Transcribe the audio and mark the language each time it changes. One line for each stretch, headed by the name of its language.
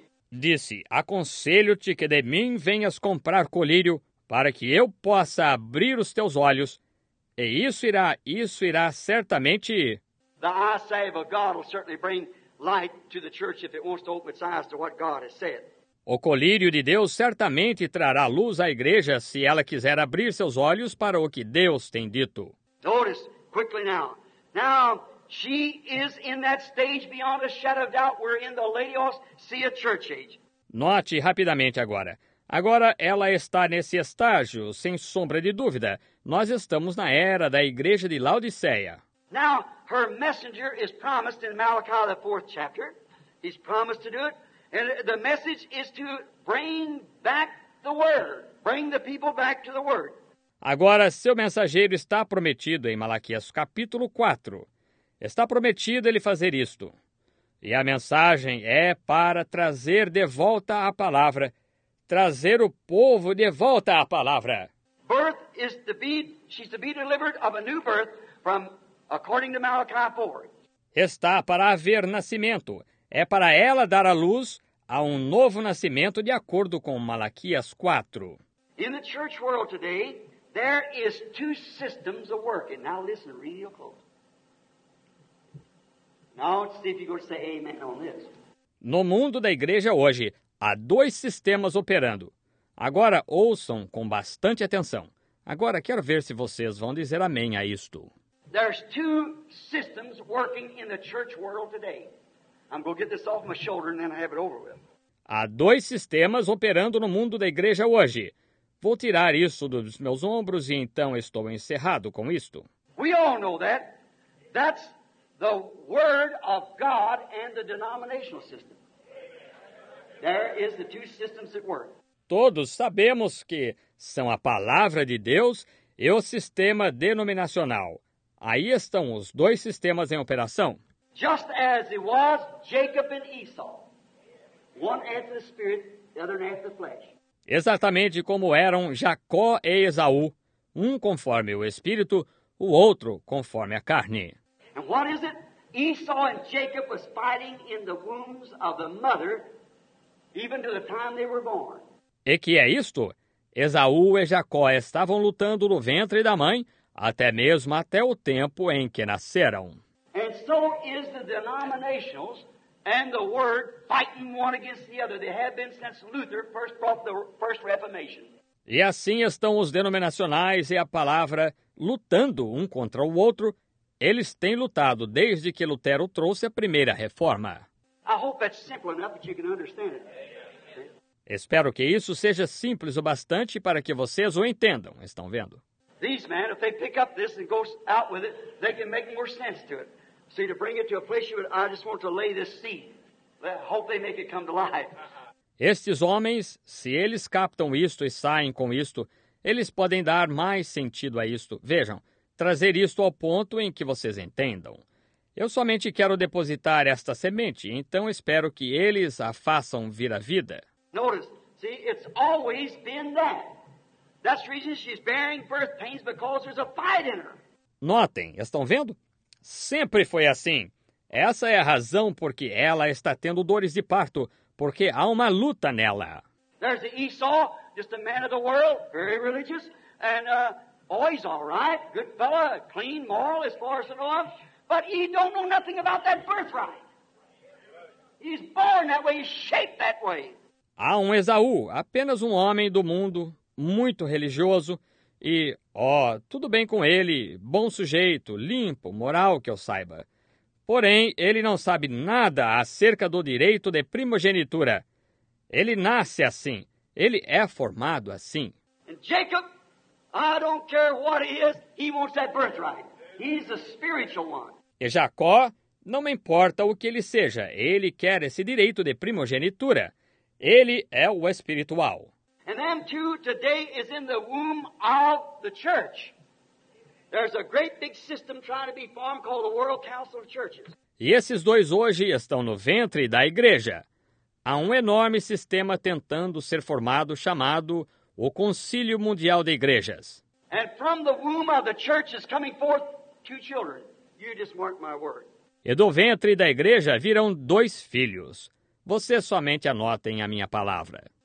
Portuguese: disse, aconselho-te que de mim venhas comprar colírio para que eu possa abrir os teus olhos. E isso irá certamente...
English: The eye save of God will certainly bring light to the church if it wants to open its eyes to what God has said.
Portuguese: O colírio de Deus certamente trará luz à igreja se ela quiser abrir seus olhos para o que Deus tem dito.
English: Notice quickly now. Now she is in that stage beyond a shadow of doubt where in the Laodicean see a church age.
Portuguese: Note rapidamente agora. Agora ela está nesse estágio, sem sombra de dúvida. Nós estamos na era da igreja de Laodiceia.
English: Now her messenger is promised in Malachi the 4th chapter. He's promised to do it. And the message is to bring back the word. Bring the people back to the word.
Portuguese: Agora, seu mensageiro está prometido em Malaquias capítulo 4. Está prometido ele fazer isto. E a mensagem é para trazer de volta a palavra. Trazer o povo de volta à palava.
English: Birth is to be, she's to be delivered of a new birth from, according to Malachi 4.
Portuguese: Está para haver nascimento. É para ela dar a luz a um novo nascimento de acordo com Malaquias 4.
English: In the church world today, there is two systems of working. Now listen, read your quote. Now let's see if you're going to say amen on this.
Portuguese: No mundo da igreja hoje, há dois sistemas operando. Agora ouçam com bastante atenção. Agora quero ver se vocês vão dizer amém a isto.
English: There's two systems working in the church world today. I'm going to get this off my shoulder and then I have it over with.
Portuguese: Há dois sistemas operando no mundo da igreja hoje. Vou tirar isso dos meus ombros e então estou encerrado com isto.
English: We all know that. That's the word of God and the denominational system. There is the two systems at work.
Portuguese: Todos sabemos que são a palavra de Deus e o sistema denominacional. Aí estão os dois sistemas em operação.
English: Just as it was Jacob and Esau. One after the spirit, the other after the flesh.
Portuguese: Exatamente como eram Jacó e Esaú, um conforme o espírito, o outro conforme a carne.
English: And what is it? Esau and Jacob was fighting in the wombs of the mother. Even to the time they were born.
Portuguese: E que é isto? Esaú e Jacó estavam lutando no ventre da mãe, até mesmo até o tempo em que nasceram.
English: And so is the denominations and the word fighting one against the other. They have been since Luther first brought the first Reformation.
Portuguese: E assim estão os denominacionais e a palavra lutando um contra o outro. Eles têm lutado desde que Lutero trouxe a primeira reforma.
English: I hope that's simple enough that you can understand it.
Portuguese: Espero que isso seja simples o bastante para que vocês o entendam. Estão vendo?
English: These men, if they pick up this and go out with it, they can make more sense to it. See, to bring it to a place you would, I just want to lay this seed. I hope they make it come to life.
Portuguese: Estes homens, se eles captam isto e saem com isto, eles podem dar mais sentido a isto. Vejam, trazer isto ao ponto em que vocês entendam. Eu somente quero depositar esta semente, então espero que eles a façam vir à vida.
English: Notice, see, it's always been that. That's the reason she's bearing birth pains because there's a fight in her.
Portuguese: Notem, estão vendo? Sempre foi assim. Essa é a razão porque ela está tendo dores de parto, porque há uma luta nela.
English: There's the Esau, just a man of the world, very religious, and always all right, good fella, clean, moral, as far as I know. But he don't know nothing about that birthright. He's born that way, he's shaped that way.
Portuguese: Há um Esaú, apenas um homem do mundo, muito religioso, e, tudo bem com ele, bom sujeito, limpo, moral, que eu saiba. Porém, ele não sabe nada acerca do direito de primogenitura. Ele nasce assim, ele é formado assim.
English: And Jacob, I don't care what he is, he wants that birthright. He's a spiritual one.
Portuguese: E Jacó, não me importa o que ele seja, ele quer esse direito de primogenitura. Ele é o espiritual.
English: And them too, today is in the womb of the church. There's a great big system trying to be formed called the World Council of Churches.
Portuguese: E esses dois hoje estão no ventre da igreja. Há um enorme sistema tentando ser formado chamado o Concílio Mundial de Igrejas.
English: And from the womb of the church is coming forth two children. You just mark my word.
Portuguese: E do ventre da igreja virão dois filhos. Você somente anota em a minha palavra.